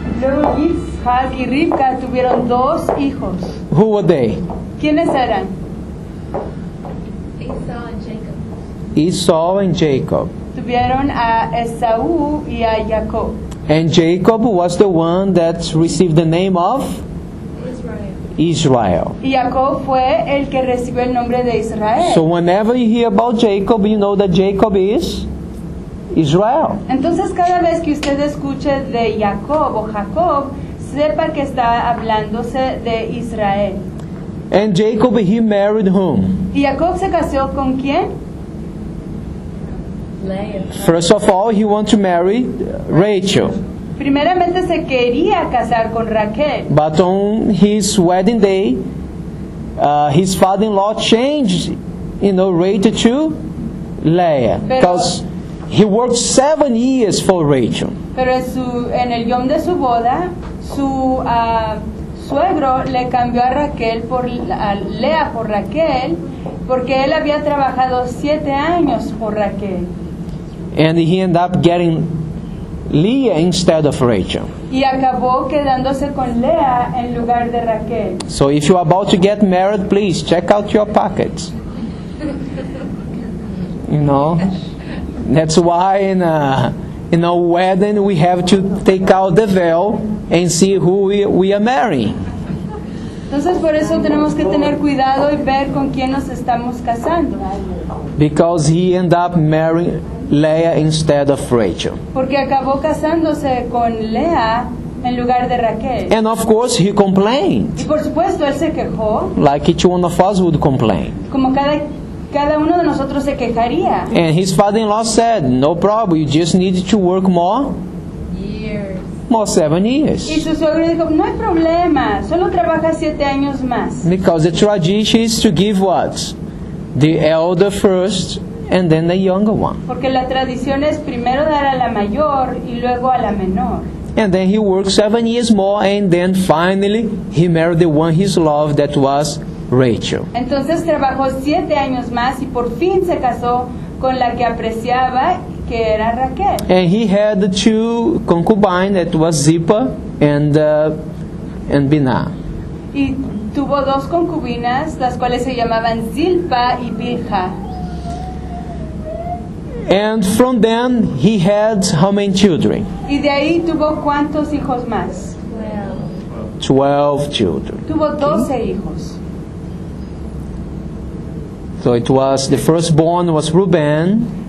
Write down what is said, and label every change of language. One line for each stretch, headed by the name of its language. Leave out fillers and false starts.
Spanish: Luego Yitzhak y Rebecca tuvieron dos hijos.
English: Who were they?
Spanish: ¿Quiénes eran?
English: Esau and Jacob.
Spanish: Tuvieron a Esau y a Jacob.
English: And Jacob was the one that received the name of Israel.
Spanish: Israel. Jacob fue el que recibió el nombre de Israel.
English: So whenever you hear about Jacob, you know that Jacob is Israel.
Spanish: Entonces cada vez que usted escuche de Jacob o Jacob, sepa que está hablándose de Israel.
English: And Jacob, he married whom?
Spanish: ¿Y Jacob se casó con quién?
English: First of all, he wanted to marry Rachel.
Spanish: Primeramente se quería casar con Raquel.
English: But on his wedding day, his father-in-law changed, you know, Rachel to Leah. Because he worked 7 years for Rachel.
Spanish: Pero en el yom de su boda, su suegro le cambió a Raquel por a Leah por Raquel, porque él había trabajado 7 años por Raquel.
English: And he ended up getting Leah instead of Rachel.
Spanish: Y acabó quedándose con Leah en lugar de Raquel.
English: So if you are about to get married, please check out your pockets. You know, that's why in a wedding we have to take out the veil and see who we are marrying.
Spanish: Entonces por eso tenemos que tener cuidado y ver con quién nos estamos casando.
English: Because he ended up marrying Leah instead of Rachel.
Spanish: Porque acabó casándose con Leah en lugar de Raquel.
English: And of course he complained.
Spanish: Y por supuesto él se quejó.
English: Like each one of us would complain.
Spanish: Como cada uno de nosotros se quejaría.
English: And his father-in-law said, "No problem, you just need to work more." More 7 years.
Spanish: Y su suegro dijo, no hay problema, solo trabaja 7 años más.
English: Because the tradition is to give what? The elder first and then the younger one.
Spanish: Porque la tradición es primero dar a la mayor y luego a la menor.
English: And then he worked 7 years more and then finally he married the one he loved, that was Rachel.
Spanish: Entonces trabajó 7 años más y por fin se casó con la que apreciaba, que era Raquel.
English: And he had 2 concubines, that was Zipa and Bina.
Spanish: Y tuvo 2 concubinas, las cuales se llamaban Zilpa y Bilha.
English: And from then he had how many children?
Spanish: Y de ahí tuvo ¿cuántos hijos más?
English: 12 children.
Spanish: Tuvo 12 hijos.
English: So it was, the firstborn was Reuben.